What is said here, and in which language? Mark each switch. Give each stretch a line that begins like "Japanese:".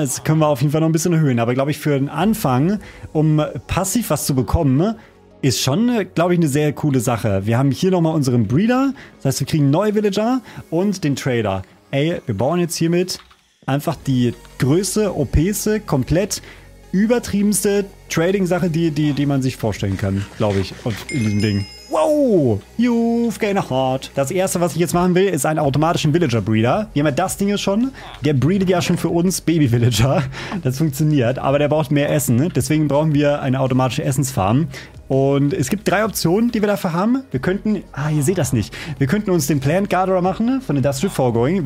German: Das können wir auf jeden Fall noch ein bisschen erhöhen. Aber glaube ich, für den Anfang, um passiv was zu bekommen, ist schon, glaube ich, eine sehr coole Sache. Wir haben hier nochmal unseren Breeder. Das heißt, wir kriegen neue Villager und den Trader. Ey, wir bauen jetzt hiermit einfach die größte, OP-ste, komplett übertriebenste Trading-Sache, die man sich vorstellen kann, glaube ich, in diesem Ding.
English: Wow, you've gained a heart.
German: Das erste, was ich jetzt machen will, ist einen automatischen Villager-Breeder. Wir haben ja das Ding hier schon. Der breedet ja schon für uns Baby-Villager. Das funktioniert, aber der braucht mehr Essen. Deswegen brauchen wir eine automatische Essensfarm. Und es gibt 3 Optionen, die wir dafür haben. Wir könnten, ihr seht das nicht. Wir könnten uns den Plant Gatherer machen von Industrial Foregoing.